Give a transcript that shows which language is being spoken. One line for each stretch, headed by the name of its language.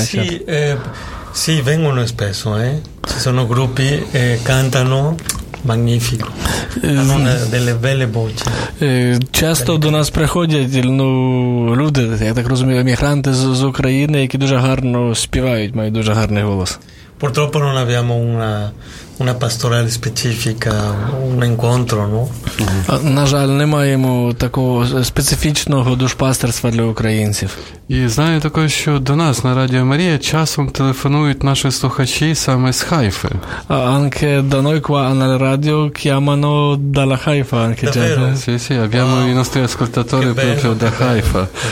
Italian: Sì, sì, vengono spesso, Ci sono gruppi che cantano magnifico. Hanno delle belle voci.
Ukrainian: Часто до нас приходять люди, я так розумію, емігранти з України, які дуже гарно співають, мають дуже гарний голос.
Italian: Purtroppo non abbiamo una pastorale specifica, un incontro, no?
Ukrainian: На жаль, не маємо такого специфічного душпастерства для українців. І знаю також, що до нас на Радіо Марія часом телефонують наші слухачі саме з Хайфи.
Italian: Anche da noi qua al radio chiamano dalla Haifa anche. Davvero? Sì, sì, abbiamo i nostri ascoltatori proprio da Haifa.